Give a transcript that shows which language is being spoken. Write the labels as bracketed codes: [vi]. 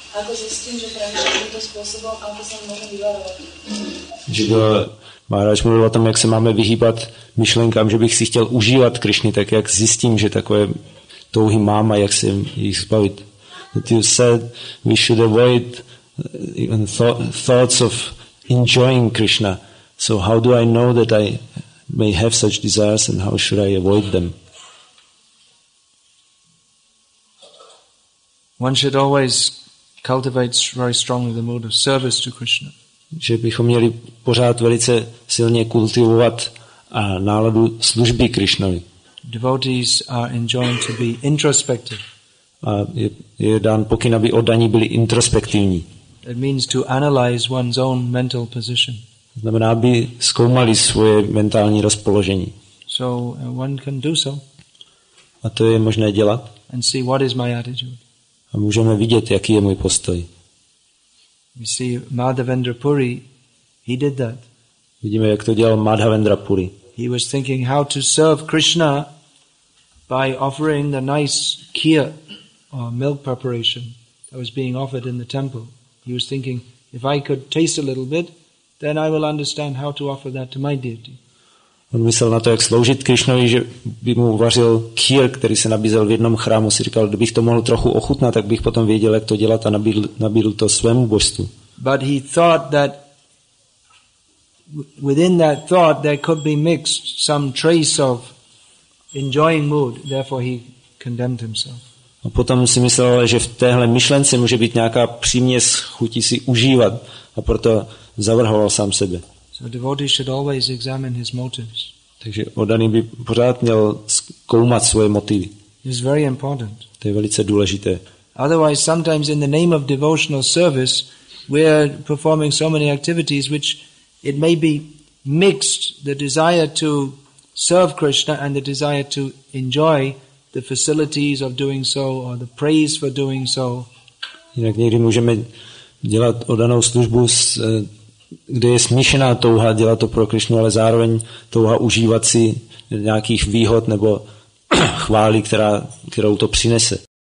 [cs] Ako zjistím, že právě tímto způsobem, ako se můžeme vyvarovat? Maharaj mluvil o tom, jak se máme vyhýbat myšlenkám, že bych si chtěl užívat Krišny, tak jak zjistím, že takové touhy mám a jak se jich zbavit. [en] That you said we should avoid even thoughts of enjoying Krishna. So how do I know that I may have such desires and how should I avoid them? One should always cultivates very strongly the mood of service to Krishna. [cs] Že bychom měli pořád velice silně kultivovat náladu služby Krishnovi. [en] Devotees are enjoined to be introspective. [cs] A je dán pokyn, aby oddaní byli introspektivní. [en] It means to analyze one's own mental position. [cs] Znamená, aby zkoumali svoje mentální rozpoložení. [en] So one can do so. [cs] A to je možné dělat. [en] And see what is my attitude. [cs] A můžeme vidět, jaký je můj postoj. [en] You see, Madhavendra Puri, he did that. [cs] Vidíme, jak to dělal Madhavendra Puri. [en] He was thinking how to serve Krishna by offering the nice kheer or milk preparation that was being offered in the temple. He was thinking, if I could taste a little bit, then I will understand how to offer that to my deity. [cs] On myslel na to, jak sloužit Krišnovi, že by mu uvařil kýr, který se nabízel v jednom chrámu. Si říkal, kdybych to mohl trochu ochutnat, tak bych potom věděl, jak to dělat a nabídl to svému božstvu. [en] But he thought that within that thought there could be mixed some trace of enjoying mood, therefore he condemned himself. [cs] A potom si myslel, že v téhle myšlence může být nějaká příměs chuti si užívat a proto zavrhoval sám sebe. [en] So devotee should always examine his motives. [cs] Takže oddaný by pořád měl zkoumat svoje motivy. [en] It's very important. [cs] To je velice důležité. [en] Otherwise sometimes in the name of devotional service we are performing so many activities which it may be mixed, the desire to serve Krishna and the desire to enjoy the facilities of doing so or the praise for doing so. [cs] Jinak někdy můžeme dělat oddanou službu, kde je smíšená touha dělat to pro Krišnu, ale zároveň touha užívat si nějakých výhod nebo chvály, kterou to přinese.